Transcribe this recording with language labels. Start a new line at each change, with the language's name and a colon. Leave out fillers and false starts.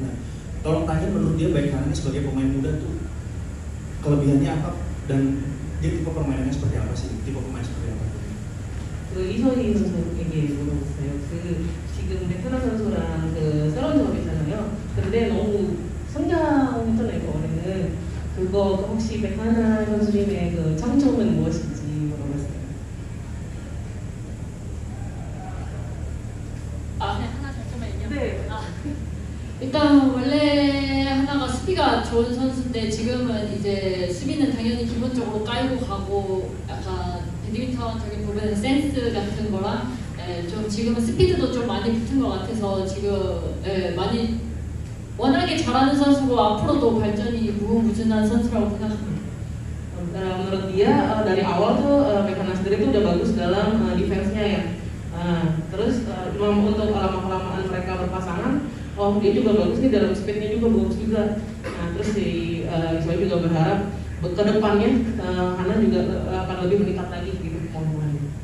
Indonesian: Nah, tolong tanya menurut dia Bengkana ini sebagai pemain muda tuh kelebihannya apa dan dia tipe permainannya seperti apa sih? Tipe pemain seperti apa?
Korean: 그 이선희 선수에게 물어봤어요. 그 지금 베테랑 선수랑 그 새로운 조합이잖아요. 근데 너무 성장했잖아요. 이번에는 그거 혹시 베테랑 선수님의 그 장점은 무엇인지 물어봤어요. 아, 그냥 하나 장점만요. 네. 아, 일단 원래 하나가 수비가 좋은 선수인데 지금은 이제 수비는 당연히 기본적으로 깔고 가고 약간. 리미터적인 부분은 센스 같은 거랑 좀 지금은 스피드도 좀 많이 붙은 것 같아서 지금 많이 워낙에 잘하는 선수고 앞으로도 발전이 무궁무진한 선수라고 생각합니다.
Indonesian: Menurut dia dari awal tuh Bekana sendiri tuh udah bagus dalam defense-nya ya. Terus untuk lama-kelamaan mereka berpasangan, oh dia juga bagus nih dalam speed-nya juga bagus juga. Terus si Isoy juga berharap kedepannya Hana juga akan lebih meningkat lagi gitu kemampuannya.